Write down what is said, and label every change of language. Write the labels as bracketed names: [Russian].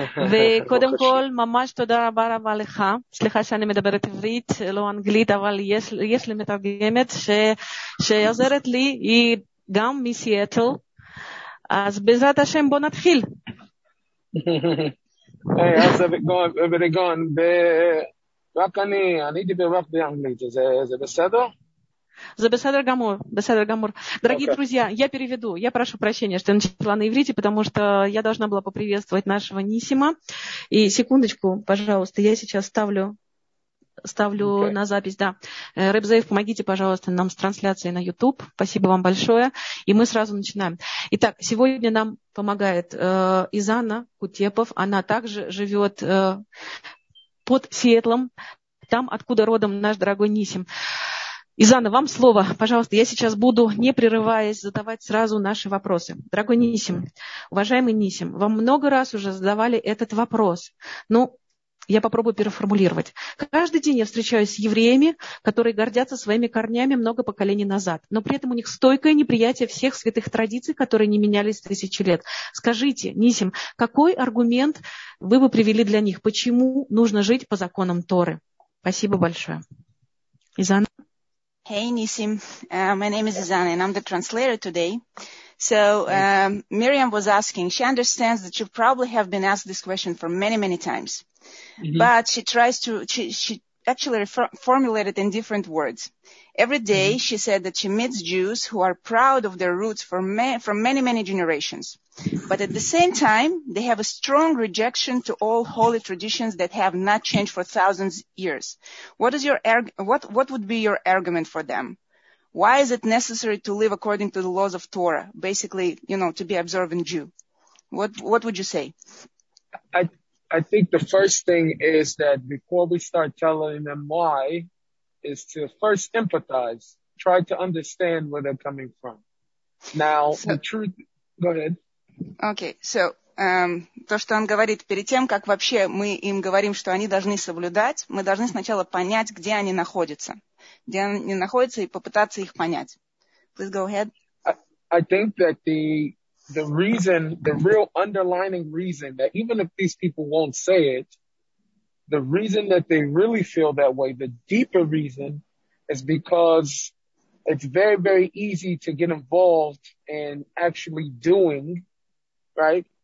[Hebrew] וקודם כל, ממש תודה רבה רבה לך. סליחה שאני מדברת עברית, לא אנגלית, אבל יש לי מתרגמת שעוזרת לי, היא גם מסיאטל. אז בעזרת השם, בוא נתחיל. היי, אז אבי גון, רק אני, אני דיבר רק באנגלית, זה בסדר? זה בסדר גמור, בסדר גמור. [Russian] Дорогие друзья, я переведу. Я прошу прощения, что я начала на иврите, потому что я должна была поприветствовать нашего Нисима. И секундочку, пожалуйста, я сейчас ставлю okay. на запись. Да. Рэб Зеев, помогите, пожалуйста, нам с трансляцией на YouTube. Спасибо вам большое. И мы сразу начинаем. Итак, сегодня нам помогает Изана Кутепов. Она также живет под Сиэтлом, там, откуда родом наш дорогой Нисим. Изана, вам слово, пожалуйста. Я сейчас буду, не прерываясь, задавать сразу наши вопросы. Дорогой Нисим, уважаемый Нисим, вам много раз уже задавали этот вопрос. Ну, я попробую переформулировать. Каждый день я встречаюсь с евреями, которые гордятся своими корнями много поколений назад, но при этом у них стойкое неприятие всех святых традиций, которые не менялись тысячи лет. Скажите, Нисим, какой аргумент вы бы привели для них? Почему нужно жить по законам Торы? Спасибо большое. Изана? [English] Hey, Nisim. My name is Izana, and I'm the translator today. So Miriam was asking, she understands that you probably have been asked this question for many, many times. Mm-hmm. But she tries to, she actually formulated in different words. Every day mm-hmm. she said that she meets Jews who are proud of their roots for many, many generations. But at the same time, they have a strong rejection to all holy traditions that have not changed for thousands of years. What is your, what would be your argument for them? Why is it necessary to live according to the laws of Torah? Basically, you know, to be observant Jew. What would you say? I think the first thing is that before we start telling them why, is to first empathize, try to understand where they're coming from. Now, the truth, go ahead. Okay, so, [Russian] то, что он говорит, перед тем, как вообще мы им говорим, что они должны соблюдать, мы должны сначала понять, где они находятся, и попытаться их понять. [English] Please go ahead. I think that the reason, the real underlining reason that even if these people won't say it, the reason that they really feel that way, the deeper reason is because it's very, very easy to get involved in actually doing, right?